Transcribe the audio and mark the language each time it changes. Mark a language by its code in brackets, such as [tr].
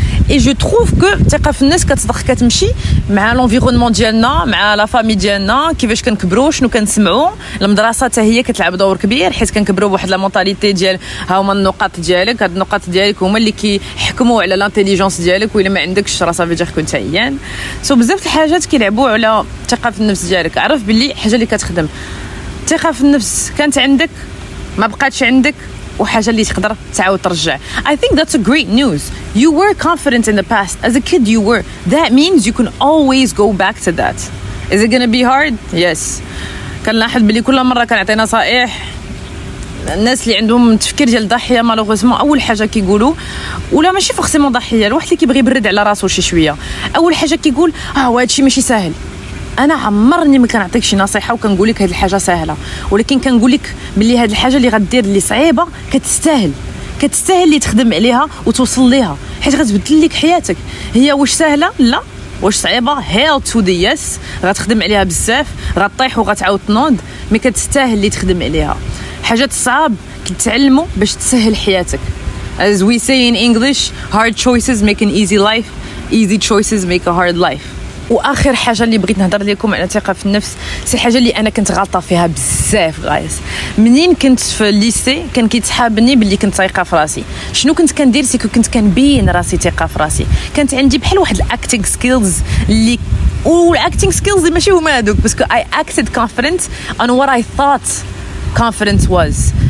[fr] Et je trouve que [ar] ثقة في الناس كتصدق كتمشي مع الانفيرونمون ديالنا مع لا فامي ديالنا, كيفاش كنكبروا شنو كنسمعوا, المدرسه حتى هي كتلعب دور كبير حيت كنكبروا بواحد لا مونتاليتي ديال ها هما النقاط ديالك, هاد النقاط ديالك هما اللي كيحكموا على لانتيليجونس ديالك, و الا ما عندكش راه صافي جاك كنت عيان. سو بزاف الحاجات كيلعبوا على ثقة في النفس ديالك. عرف باللي حاجه اللي كتخدم ثقة في النفس كانت عندك ما بقاتش عندك وحاجه اللي تقدر تعاود ترجع. [en] I think that's a great news. You were confident in the past. As a kid you were. That means you can always go back to that. Is it going to be hard? Yes. [ar] كنلاحظ بلي كل مره كنعطي نصائح الناس اللي عندهم تفكير ديال الضحيه مالوغوزمون اول حاجه كيقولوا ولا ماشي فورسيمون ضحيه, الواحد اللي كيبغي يبرد على راسه شي شويه اول حاجه كيقول اه هادشي ماشي ساهل. انا عمرني ما كنعطيك شي نصيحه وكنقول لك هاد الحاجه سهله, ولكن كنقول لك بلي هاد الحاجه اللي غدير اللي صعيبه كتستاهل, كتستاهل اللي تخدم عليها وتوصل ليها حيت غتبدل لك حياتك. هي واش سهله؟ لا. واش صعيبه؟ [en] Hell to the yes. [ar] غتخدم عليها بزاف غطيح وغتعاود تنوض, مي كتستاهل اللي تخدم عليها. حاجات صعاب كتعلمو باش تسهل حياتك. [en] As we say in English, hard choices make an easy life, easy choices make a hard life. [ar] واخر حاجه اللي بغيت نهضر لكم على الثقه في النفس سي حاجه اللي انا كنت غلطه فيها بزاف غايس. منين كنت في الليسي كان كيتحابني باللي كنت ثقه في راسي. شنو كنت كندير؟ سي كنت كنبين راسي ثقه في راسي, كانت عندي بحال واحد الاكتينغ سكيلز اللي والاكتينغ سكيلز ماشي هما هذوك باسكو [en] I acted confident on what I thought confidence was.